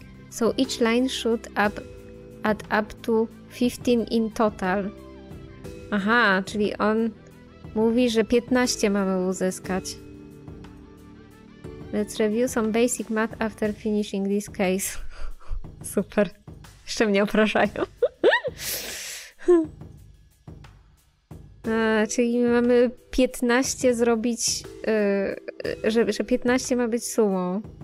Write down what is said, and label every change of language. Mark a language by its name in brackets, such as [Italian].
[English] So each line should add up to 15 in total. [Polish] Aha, czyli on mówi, że 15 mamy uzyskać. [English] Let's review some basic math after finishing this case. [Polish] Super. Jeszcze mnie opraszają. czyli mamy 15 zrobić, że 15 ma być sumą.